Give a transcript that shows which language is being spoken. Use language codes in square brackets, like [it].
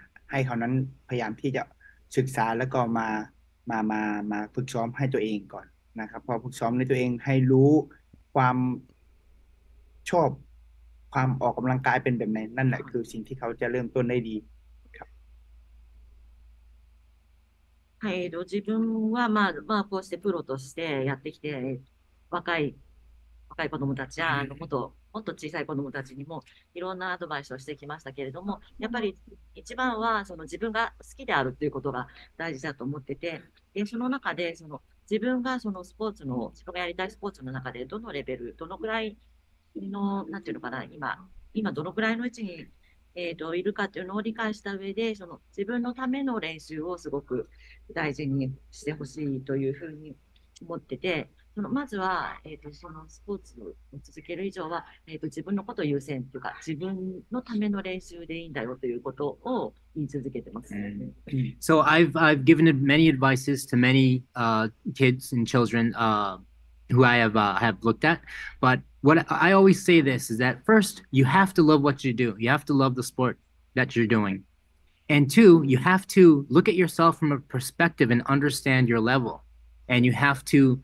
[th] ให้เขานั้นพยายามที่จะศึกษาแล้วก็มาฝึกซ้อมให้ตัวเองก่อนนะครับพอฝึกซ้อมในตัวเองให้รู้ความชอบความออกกำลังกายเป็นแบบไหนนั่นแหละคือสิ่งที่เขาจะเริ่มต้นได้ดีครับ ให้ดู [ja] 自分はこうしてプロとしてやってきて若い子供たちやあのこと、もっと小さい子供たちにもいろんなアドバイスをしてきましたけれども、やっぱり一番はその自分が好きであるということが大事だと思ってて、でその中でその自分がそのスポーツの、自分がやりたいスポーツの中でどのレベル、どのくらいの、なんていうのかな、今どのくらいの位置に、いるかというのを理解した上で、その自分のための練習をすごく大事にしてほしいというふうに思ってて、そのまずは、そのスポーツを続ける以上は、自分のことを優先というか自分のための練習でいいんだよということを言い続けてます。 [en] So I've given many advices to many kids and children who I have looked at. But what I always say this is that first, you have to love what you do. You have to love the sport that you're doing. And two, you have to look at yourself from a perspective and understand your level. And you have to...